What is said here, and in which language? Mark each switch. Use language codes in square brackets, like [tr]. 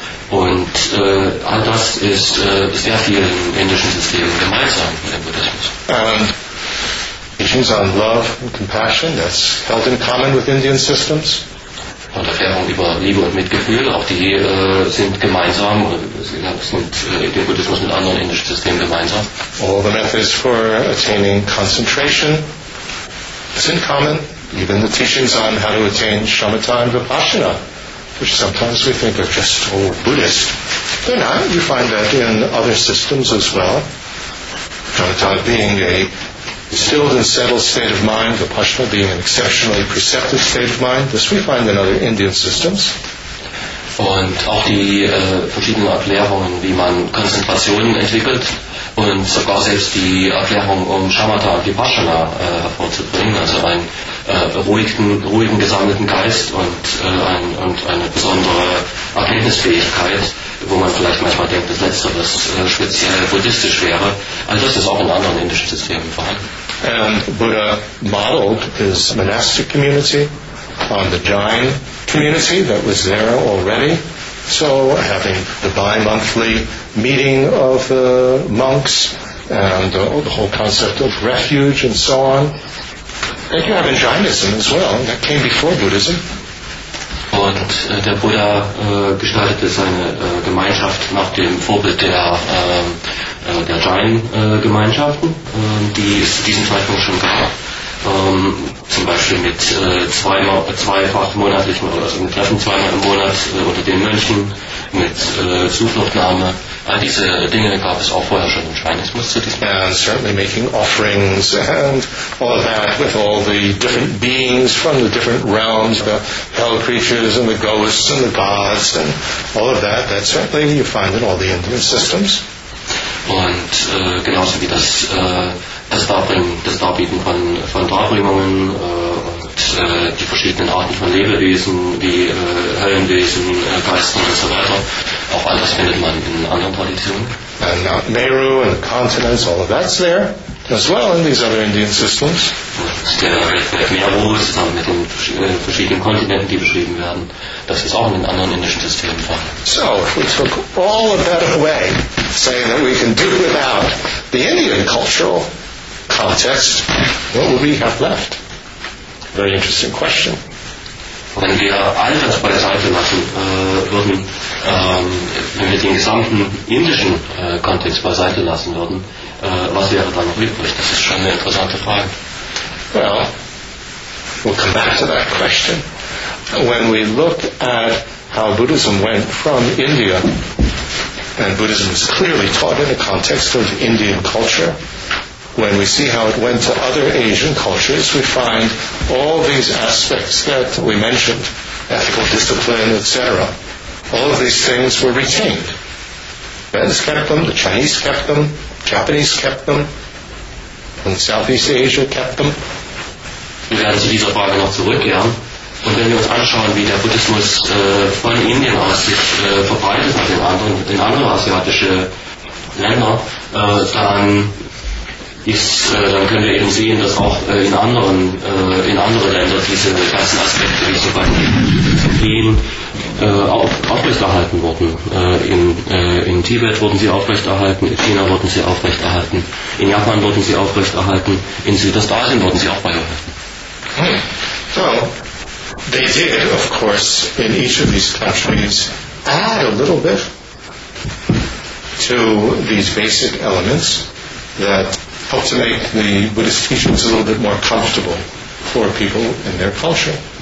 [de] Und all das ist sehr vielen indischen Systemen gemeinsam im Buddhismus. [en] And teachings on love and compassion, that's held in common with Indian systems. [de] Und Erklärungen über Liebe und Mitgefühl, auch die sind gemeinsam, sind dem Buddhismus mit anderen indischen Systemen gemeinsam. [en] All the methods for attaining concentration is in common. Even the teachings on how to attain shamatha and vipassana, which sometimes we think are just all Buddhist, they're not. You find that in other systems as well. Shamatha being a distilled and settled state of mind, vipassana being an exceptionally perceptive state of mind, this we find in other Indian systems. [de] Und auch die verschiedenen Erklärungen, wie man Konzentrationen entwickelt und sogar selbst die Erklärung, um Shamatha und Vipassana hervorzubringen, also einen ruhigen gesammelten Geist und eine besondere Erkenntnisfähigkeit, wo man vielleicht manchmal denkt, das Letztere, was speziell buddhistisch wäre, all das ist auch in anderen indischen Systemen vorhanden. [en] And Buddha modeled his monastic community on the Jain community that was there already. So having the bi-monthly meeting of monks and the whole concept of refuge and so on. And you have in Jainism as well, that came before Buddhism. [de] Und der Buddha gestaltete seine Gemeinschaft nach dem Vorbild der Jain-Gemeinschaften, die es zu diesem Zeitpunkt schon gab. Zum Beispiel mit zweifach monatlichen oder also mit Treffen zweimal im Monat unter den Mönchen, mit Zufluchtnahme. All diese Dinge gab es auch vorher schon im Jainismus zu diesem Zeitpunkt. [en] And certainly making offerings and all that with all the different beings from the different realms, the hell creatures and the ghosts and the gods and all of that, that certainly you find in all the Indian systems. [de] Und genauso wie das das Darbieten von Darbringungen und die verschiedenen Arten von Lebewesen, wie Höllenwesen, Geister und so weiter, auch all das findet man in anderen Traditionen. [en] And Mount Meru and the continents, all of that's there, as well in these other Indian systems. [de] Und der Meru zusammen mit den verschiedenen Kontinenten, die beschrieben werden, das ist auch in den anderen indischen Systemen vorhanden. [en] So, if we took all of that away, saying that we can do without the Indian cultural context, what would we have left? Very interesting question. [de] Wenn wir all das beiseite lassen würden, wenn wir den gesamten indischen Kontext beiseite lassen würden, was wäre dann noch übrig? Das ist schon eine interessante Frage. [en] Well, we'll come back to that question. When we look at how Buddhism went from India, and Buddhism is clearly taught in the context of Indian culture, when we see how it went to other Asian cultures, we find all these aspects that we mentioned, ethical discipline, etc., all of these things were retained. Tibetans kept them, the Chinese kept them, Japanese kept them, and Southeast Asia kept them. [de] Wir werden zu dieser Frage noch zurückkehren. Und wenn wir uns anschauen, wie der Buddhismus von Indien aus sich verbreitet hat in andere asiatische Länder, dann können wir eben sehen, dass auch in andere Länder diese ganzen Aspekte, wie zum Beispiel Disziplin, aufrechterhalten wurden. In Tibet wurden sie aufrechterhalten, in China wurden sie aufrechterhalten, in Japan wurden sie aufrechterhalten, in Südostasien wurden sie auch beibehalten. [en] So, they did, of course, in each of these countries, add a little bit to these basic elements that help to make the Buddhist teachings a little bit more comfortable for people in their culture.